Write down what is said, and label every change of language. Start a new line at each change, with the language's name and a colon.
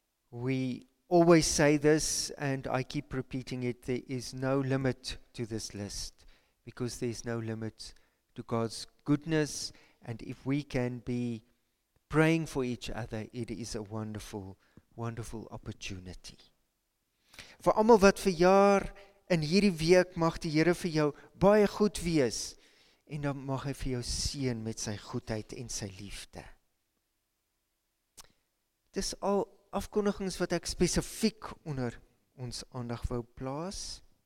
English: We always say this, and I keep repeating it, there is no limit to this list, because there is no limit to God's goodness, and if we can be praying for each other, it is a wonderful, wonderful opportunity.
Afrikaans: Vir almal wat verjaar in hierdie week, mag die Here vir jou baie goed wees, en dan mag hy vir jou seën met sy goedheid en sy liefde. Dis al afkondigings wat ek spesifiek onder ons aandag wou plaas.